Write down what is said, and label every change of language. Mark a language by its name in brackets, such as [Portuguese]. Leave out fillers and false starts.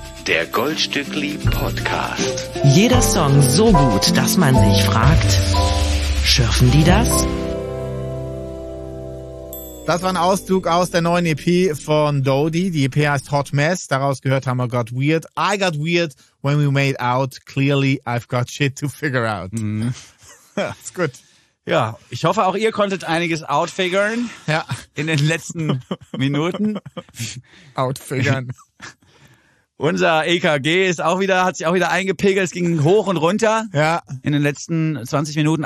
[German] Der Goldstückli-Podcast. Jeder Song so gut, dass man sich fragt, schürfen die das? Das war ein Auszug aus der neuen EP von Dodi. Die EP heißt Hot Mess. Daraus gehört haben wir Got Weird. [English] I got weird when we made out. Clearly I've got shit to figure out. Mhm. [German] Ja, ist gut. Ja, ich hoffe, auch ihr konntet einiges outfiguren. Ja. In den letzten Minuten. Outfiguren. Unser EKG ist auch wieder, hat sich auch wieder eingepegelt. Es ging hoch und runter. Ja. In den letzten 20 Minuten.